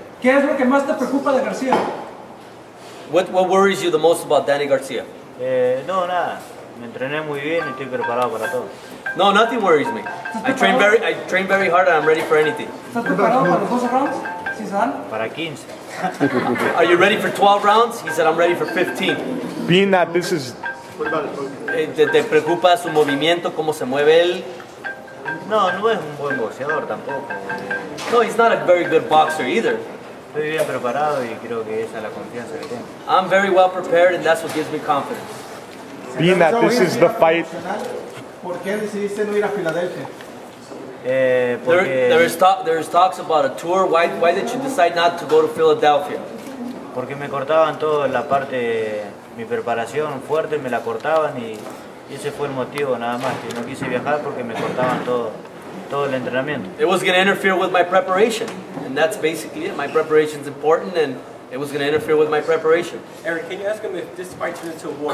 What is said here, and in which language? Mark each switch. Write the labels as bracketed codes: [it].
[es] ¿Qué es lo que más te preocupa de García? [en] What worries you the most about Danny Garcia? [es] No, nada. Me entrené muy bien y estoy preparado para todo. [en] No, nothing worries me. I train very hard and I'm ready for anything. [es] ¿Estás preparado para los 12 rounds? ¿Sí se dan? Para 15. [en] Are you ready for 12 rounds? He said, I'm ready for 15. Being that this is... [es] ¿Te preocupa su movimiento, cómo se mueve él? No, no es un buen boxeador tampoco. [en] No, he's not a very good boxer either. [es] Estoy bien preparado y creo que esa es la confianza que tengo. [en] I'm very well prepared and that's what gives me confidence. Being that this is the fight... [es] ¿Por qué decidiste no ir a Filadelfia? [en] There is talks about a tour. Why did you decide not to go to Philadelphia? [es] Porque me cortaban toda la parte... Mi preparación fuerte me la cortaban y ese fue el motivo nada más que no quise viajar porque me cortaban todo el entrenamiento. [en] It was going to interfere with my preparation and that's basically it. My preparation is important and it was going to interfere with my preparation. Eric, can you ask him if this fight turns into a war?